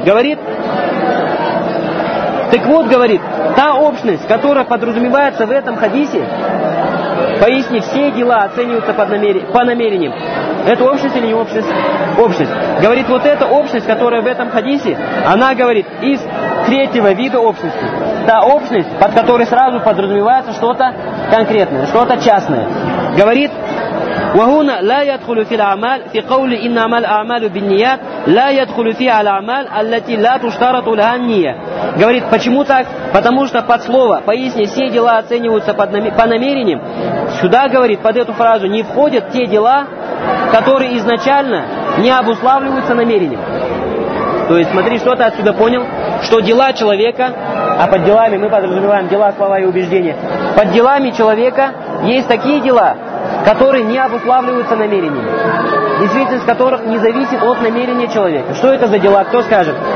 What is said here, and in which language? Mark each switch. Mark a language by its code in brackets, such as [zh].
[ru] Говорит, так вот, говорит, та общность, которая подразумевается в этом хадисе, поясни, все дела оцениваются по намерениям. Это общность или не общность? Общность. Говорит, вот эта общность, которая в этом хадисе, она говорит, из третьего вида общности. Та общность, под которой сразу подразумевается что-то конкретное, что-то частное. Говорит, [ar] وهنا لا يدخل في الأعمال في قول إن عمل أعمال بالنيات لا يدخل فيها الأعمال التي لا تشترط لها النية. [ru] Говорит, почему так? Потому что под слово, поясни, все дела оцениваются по намерениям. Сюда, говорит, под эту фразу не входят те дела, которые изначально не обуславливаются намерением. То есть смотри, что ты отсюда понял, что дела человека, а под делами мы подразумеваем дела, слова и убеждения, под делами человека есть такие дела, которые не обуславливаются намерениями, действительность которых не зависит от намерения человека. Что это за дела? Кто скажет?